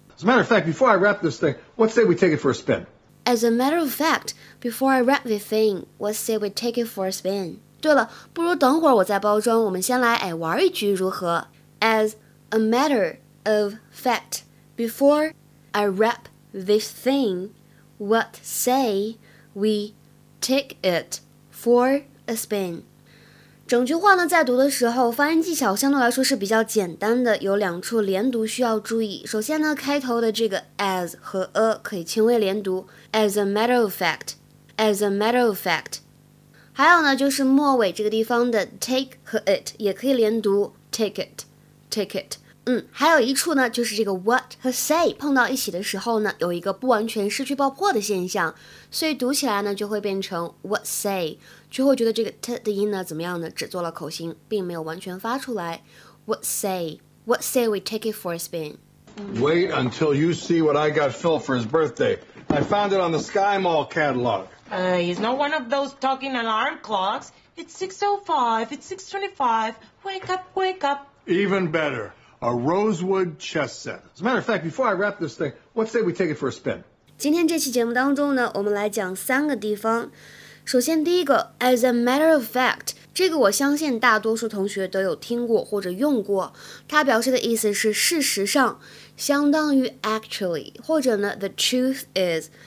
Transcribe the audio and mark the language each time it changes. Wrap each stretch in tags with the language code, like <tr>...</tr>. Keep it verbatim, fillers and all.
<en>As a matter of fact, before I wrap this thing, what say we take it for a spin? As a matter of fact, before I wrap this thing, what say we take it for a spin?</en> <zh>对了，不如等会儿我再包装，我们先来哎玩一局如何？</zh> <en>As a matter of fact, before I wrap this thing,What say we take it for a spin?</en> <zh>整句话呢，在读的时候，发音技巧相对来说是比较简单的，有两处连读需要注意。首先呢，开头的这个 as 和 a 可以轻微连读 ，</zh> <en>as a matter of fact, as a matter of fact。</en> <zh>还有呢，就是末尾这个地方的 take 和 it 也可以连读 ，</zh> <en>take it, take it。</en> <zh>嗯，还有一处呢，就是这个 what 和 say 碰到一起的时候呢，有一个不完全失去爆破的现象，所以读起来呢就会变成</zh> <en>what say，</en> <zh>就会觉得这个 t 的音呢怎么样呢？只做了口型，并没有完全发出来。</zh> <en>What say? What say we take it for a spin? Wait until you see what I got Phil for his birthday. I found it on the Sky Mall catalog. Uh, he's not one of those talking alarm clocks. It's six oh five. It's six twenty-five. Wake up! Wake up! Even better. A rosewood chess set. As a matter of fact, before I wrap this thing, what say we take it for a spin?</en> <zh>今天这期节目当中呢，我们来讲三个地方。首先第一个</zh> <en>as a matter of fact，</en> <zh>这个我相信大多数同学都有听过或者用过，它表示的意思是事实上，相当于 actually， 或者呢</zh> <en>the truth is。</en>